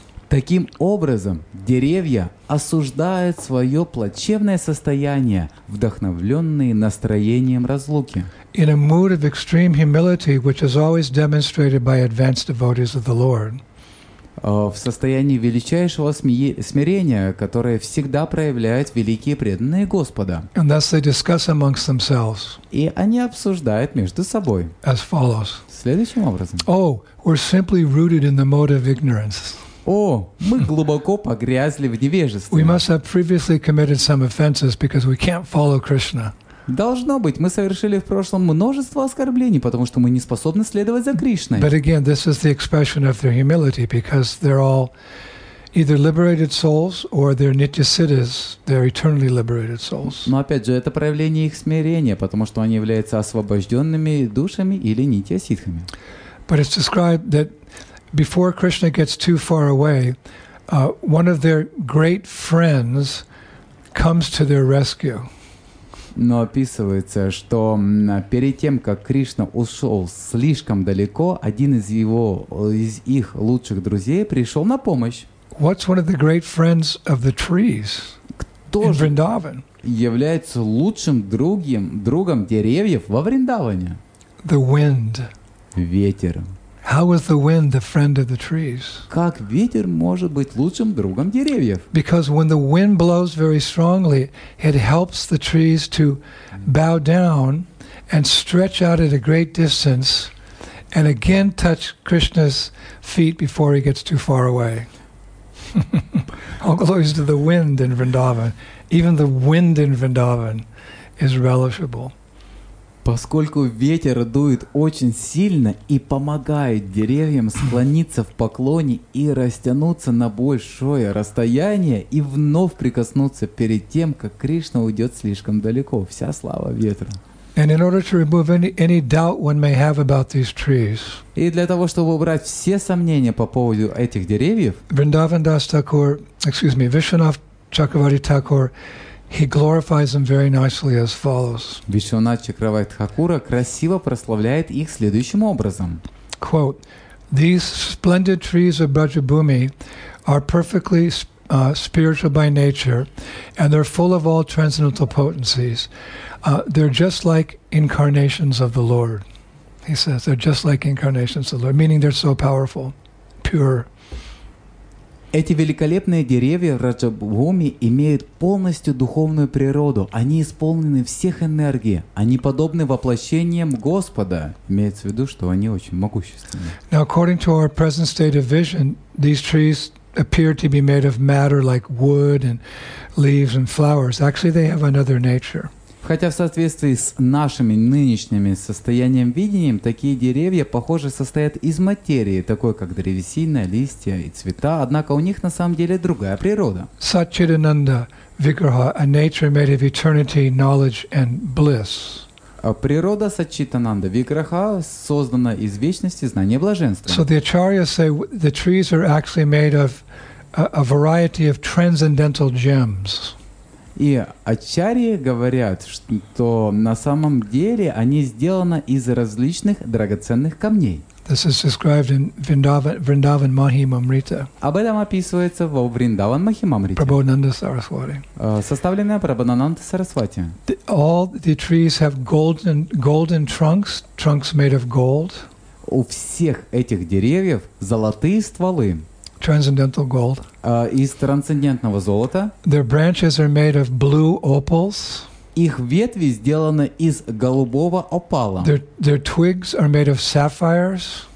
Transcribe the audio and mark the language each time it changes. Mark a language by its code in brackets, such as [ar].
[ru] Таким образом, деревья осуждают свое плачевное состояние, вдохновленные настроением разлуки. [en] In a mood of extreme humility, which is always demonstrated by advanced devotees of the Lord. [ru] В состоянии величайшего смирения, которое всегда проявляют великие преданные Господа. [en] And thus they discuss amongst themselves. [ru] И они обсуждают между собой. [en] As follows. [ru] Следующим образом. [en] Oh, we're simply rooted in the mode of ignorance. [ru] О, мы глубоко погрязли в невежестве. [en] We must have previously committed some offenses because we can't follow Krishna. [ru] Должно быть, мы совершили в прошлом множество оскорблений, потому что мы не способны следовать за Кришной. [en] But again, this is the expression of their humility, because they're all either liberated souls or they're nityasiddhas, they're eternally liberated souls. [ru] Но опять же, это проявление их смирения, потому что они являются освобожденными душами или нитья-сиддхами. [en] But it's described that before Krishna gets too far away, one of their great friends comes to their rescue. [ru] Но описывается, что перед тем, как Кришна ушел слишком далеко, один из его, из их лучших друзей пришел на помощь. [en] What's one of the great friends of the trees? [ru] Кто же [en] in Vrindavan? [ru] Является лучшим другом деревьев во Вриндаване? [en] The wind. [ru] Ветер. [en] How is the wind the friend of the trees? [ru] Как ветер может быть лучшим другом деревьев? [en] Because when the wind blows very strongly, it helps the trees to bow down and stretch out at a great distance and again touch Krishna's feet before he gets too far away. All glories to the wind in Vrindavan. Even the wind in Vrindavan is relishable. [ru] Поскольку ветер дует очень сильно и помогает деревьям склониться в поклоне и растянуться на большое расстояние и вновь прикоснуться перед тем, как Кришна уйдет слишком далеко. Вся слава ветру. [en] And in order to remove any doubt one may have about these trees. [ru] И для того, чтобы убрать все сомнения по поводу этих деревьев, [en] Vrindavan Das Thakur, excuse me, Vishwanath Chakravarti Thakur, he glorifies them very nicely as follows. [ru] Вишванат Чакравати Тхакура красиво прославляет их следующим образом. [en] Quote, these splendid trees of Brajabhumi are perfectly spiritual by nature, and they're full of all transcendental potencies. They're just like incarnations of the Lord, he says. They're just like incarnations of the Lord, meaning they're so powerful, pure. [ru] Эти великолепные деревья в Раджабхуми имеют полностью духовную природу. Они исполнены всех энергий. Они подобны воплощениям Господа. Имеется в виду, что они очень могущественны. [en] Now, according to our present state of vision, these trees appear to be made of matter like wood and leaves and flowers. Actually, they have another nature. [ru] Хотя в соответствии с нашими нынешними состоянием видением, такие деревья, похоже, состоят из материи, такой как древесина, листья и цвета, однако у них на самом деле другая природа. [en] Сат-чит-ананда виграха, a nature made of eternity, knowledge and bliss. [ru] Природа сат-чит-ананда виграха создана из вечности, знания и блаженства. [en] So the acharyas say the trees are actually made of a variety of transcendental gems. [ru] И ачарьи говорят, что на самом деле они сделаны из различных драгоценных камней. [en] This is described in Vrindavan Mahimamrita. [ru] Об этом описывается во Вриндаван Махимамрите. [en] Prabodhananda Sarasvati. [ru] Составленное Прабодхананда Сарасвати. [en] All the trees have golden trunks, trunks made of gold. [ru] У всех этих деревьев золотые стволы. [en] Transcendental gold. [ru] Из трансцендентного золота. [en] Their branches are made of blue opals. [ru] Их ветви сделаны из голубого опала. [en] Their twigs are made of sapphires.